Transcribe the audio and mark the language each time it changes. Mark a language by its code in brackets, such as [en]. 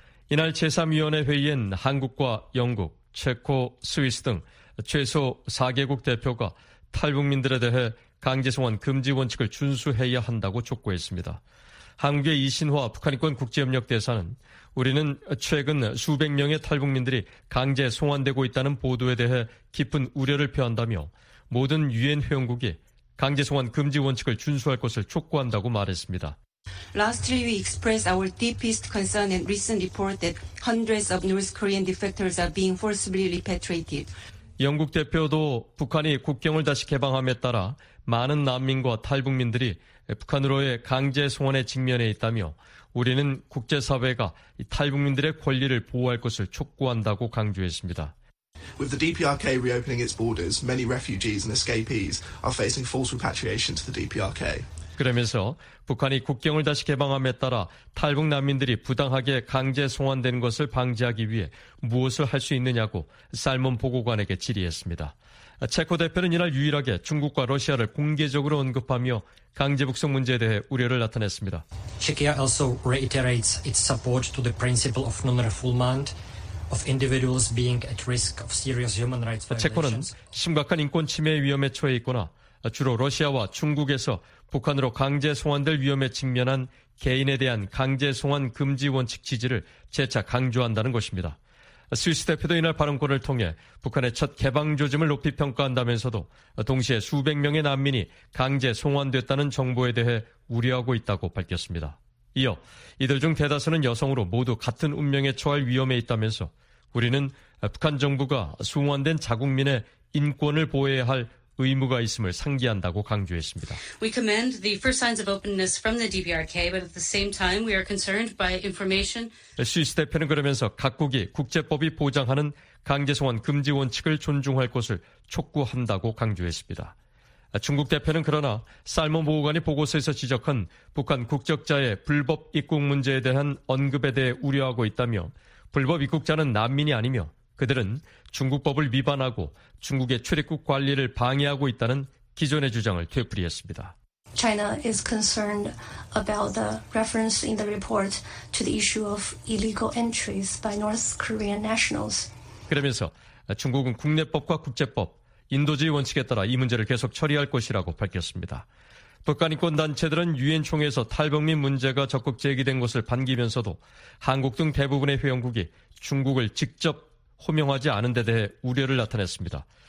[ko] 이날 제3위원회 회의엔 한국과 영국, 체코, 스위스 등 최소 4개국 대표가 탈북민들에 대해 강제송환 금지 원칙을 준수해야 한다고 촉구했습니다. 한국의 이신화 북한인권 국제협력대사는 우리는 최근 수백 명의 탈북민들이 강제 송환되고 있다는 보도에 대해 깊은 우려를 표한다며 모든 유엔 회원국이 강제송환 금지 원칙을 준수할 것을 촉구한다고 말했습니다. [en] Lastly, we express our deepest concern in recent report that hundreds of North Korean defectors are being forcibly repatriated. [ko] 영국 대표도 북한이 국경을 다시 개방함에 따라 많은 난민과 탈북민들이 북한으로의 강제 송환의 직면에 있다며 우리는 국제사회가 탈북민들의 권리를 보호할 것을 촉구한다고 강조했습니다. [en] With the DPRK reopening its borders, many refugees and escapees are facing forced repatriation to the DPRK. [ko] 그러면서 북한이 국경을 다시 개방함에 따라 탈북 난민들이 부당하게 강제 송환된 것을 방지하기 위해 무엇을 할 수 있느냐고 살몬 보고관에게 질의했습니다. 체코 대표는 이날 유일하게 중국과 러시아를 공개적으로 언급하며 강제 북송 문제에 대해 우려를 나타냈습니다. [en] Czechia also reiterates its support to the principle of non-refoulement of individuals being at risk of serious human rights violations. [ko] 체코는 심각한 인권 침해 위험에 처해 있거나 주로 러시아와 중국에서 북한으로 강제 송환될 위험에 직면한 개인에 대한 강제 송환 금지 원칙 지지를 재차 강조한다는 것입니다. 스위스 대표도 이날 발언권을 통해 북한의 첫 개방 조짐을 높이 평가한다면서도 동시에 수백 명의 난민이 강제 송환됐다는 정보에 대해 우려하고 있다고 밝혔습니다. 이어 이들 중 대다수는 여성으로 모두 같은 운명에 처할 위험에 있다면서 우리는 북한 정부가 송환된 자국민의 인권을 보호해야 할 의무가 있음을 상기한다고 강조했습니다. [en] We commend the first signs of openness from the DBRK, but at the same time, we are concerned by information. [ko] 스위스 대표는 그러면서 각국이 국제법이 보장하는 강제송환 금지 원칙을 존중할 것을 촉구한다고 강조했습니다. 중국 대표는 그러나 살몬 보고관이 보고서에서 지적한 북한 국적자의 불법 입국 문제에 대한 언급에 대해 우려하고 있다며 불법 입국자는 난민이 아니며 그들은 중국법을 위반하고 중국의 출입국 관리를 방해하고 있다는 기존의 주장을 되풀이했습니다. [en] China is concerned about the reference in the report to the issue of illegal entries by North Korean nationals. [ko] 그러면서 중국은 국내법과 국제법, 인도주의 원칙에 따라 이 문제를 계속 처리할 것이라고 밝혔습니다. 북한인권단체들은 유엔 총회에서 탈북민 문제가 적극 제기된 것을 반기면서도 한국 등 대부분의 회원국이 중국을 직접 호명하지 않은 데 대해 우려를 나타냈습니다.